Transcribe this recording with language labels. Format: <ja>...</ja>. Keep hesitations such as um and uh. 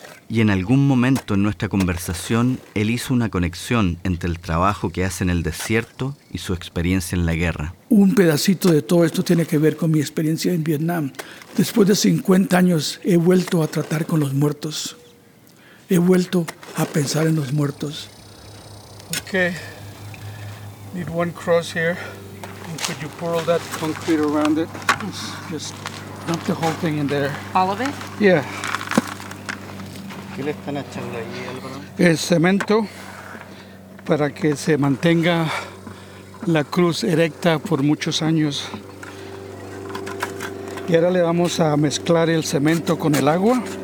<es>Y en algún momento en nuestra conversación él hizo una conexión entre el trabajo que hace en el desierto y su experiencia en la guerra. Un pedacito de todo esto tiene que ver con mi experiencia en Vietnam. Después de 50 años he vuelto a tratar con los muertos. He vuelto a pensar en los muertos.</es> <en>Okay. Need one cross here. And could you pour all that concrete around it? Just dump the whole thing in there. All of it? Yeah.</en> <es>¿Qué le están echando ahí, Álvaro? El cemento para que se mantenga la cruz erecta por muchos años. Y ahora le vamos a mezclar el cemento con el agua.</es>